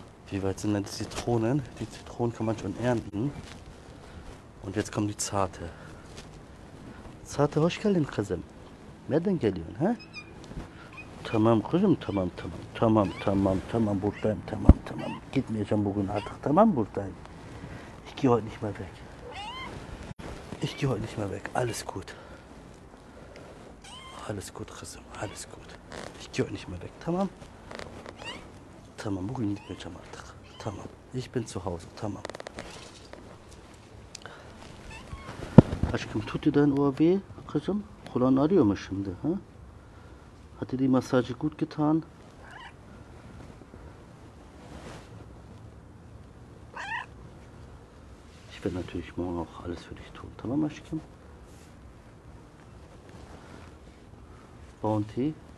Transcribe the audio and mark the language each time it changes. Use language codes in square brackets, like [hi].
[de] Wie weit sind denn die Zitronen? Die Zitronen kann man schon ernten. Und jetzt kommen die Zarte. [tr] Zarte, hoş geldin kızım. Wer denn geliyorsun, hä? Tamam kızım, tamam tamam. Tamam tamam tamam buradayım, tamam tamam. Gitmeyeceğim bugün artık, tamam buradayım. [de] Ich gehe heute nicht mehr weg. Ich gehe heute nicht mehr weg, alles gut. Alles gut kızım, alles gut. Ich gehe heute nicht mehr weg, tamam. [tr] Tamam, bugün gitmeyeceğim artık. Tamam, [de] ich bin zu Hause, [tr] tamam. Aşkım, [de] tut dir dein Ohr weh, [tr] kızım? Kulağın ağrıyor mu şimdi, ha? [de] Hat dir die Massage gut getan? Ich werde natürlich morgen auch alles für dich tun, [tr] tamam aşkım? [de] Bounty.